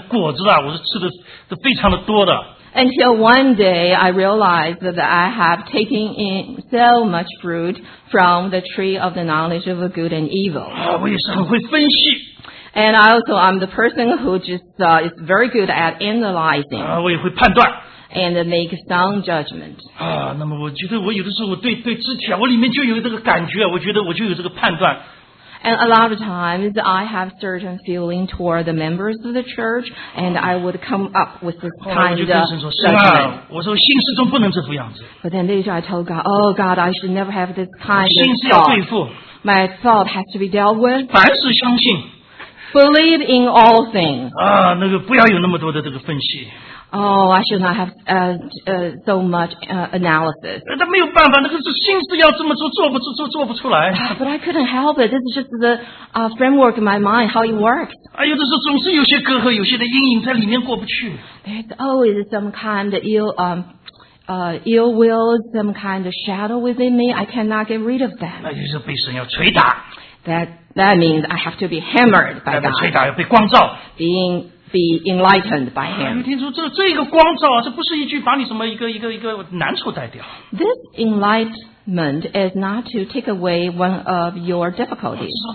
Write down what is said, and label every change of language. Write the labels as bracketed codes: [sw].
[zh] 有一天我才知道，我其实在这个分别善恶果这个树下这个果子啊，我是吃的非常的多的。 [en] Until one day, I realized that I have taken in so much fruit from the tree of the knowledge of good and evil. [zh] 啊，我也是很会分析。 [en] And I also, I'm the person who just is very good at analyzing. [zh] 啊，我也会判断。 [en] And make sound judgment. [zh] 那么我觉得我有的时候我对肢体，我里面就有这个感觉，我觉得我就有这个判断。 [en] And a lot of times I have certain feeling toward the members of the church, and I would come up with this kind of judgment. [zh] 我说心事中不能这副样子。 [en] But then later I told God, Oh God, I should never have this kind of thought. [zh] 心事要对付。 [en] My thought has to be dealt with. [zh] 凡事相信。 [en] Believe in all things. [zh] 那个不要有那么多的这个分析。 [en] Oh, I should not have so much analysis. [zh] 那没有办法，那个是心思要这么做，做不出来。 [en] But I couldn't help it. This is just the framework in my mind, how it works. [zh] 有的时候总是有些隔阂，有些的阴影在里面过不去。 [en] There's always some kind of ill will, some kind of shadow within me. I cannot get rid of them. [zh] 那就是被神要捶打。 [en] That means I have to be hammered by God. [zh] 要被捶打，要被光照。 [en] Be enlightened by him. [zh] 听说这个光照啊，这不是一句把你什么一个难处带掉。 [en] This enlightenment is not to take away one of your difficulties.